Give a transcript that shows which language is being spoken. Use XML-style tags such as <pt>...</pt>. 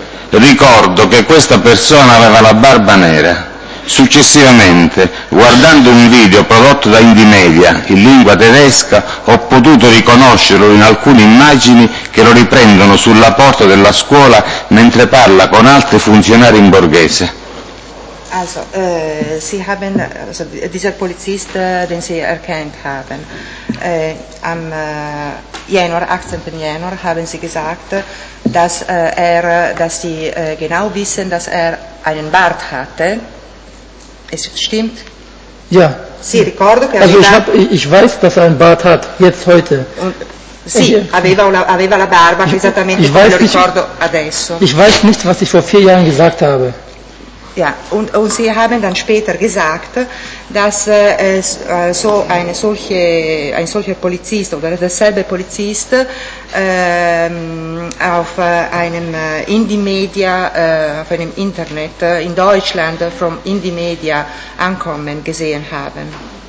<it>Ricordo che questa persona aveva la barba nera. Successivamente, guardando un video prodotto da Indimedia in lingua tedesca, ho potuto riconoscerlo in alcune immagini che lo riprendono sulla porta della scuola mentre parla con altri funzionari in borghese.</it> <de>Also, Sie haben, also dieser Polizist, den Sie erkannt haben, am Januar, 18. Januar, haben Sie gesagt, dass er, dass Sie genau wissen, dass er einen Bart hatte. Es stimmt. Ja.</de> <it>Sie, ricordo che</it> <de>also ich weiß, dass er einen Bart hat, jetzt heute.</de> <it>Sì, aveva la barba, esattamente come lo ricordo adesso.</it> <de>Ich weiß nicht, was ich vor vier Jahren gesagt habe. Ja, und Sie haben dann später gesagt, dass es so eine solche, ein solcher Polizist oder derselbe Polizist auf einem Indie-Media, auf einem Internet in Deutschland vom Indie-Media ankommen gesehen haben.</de>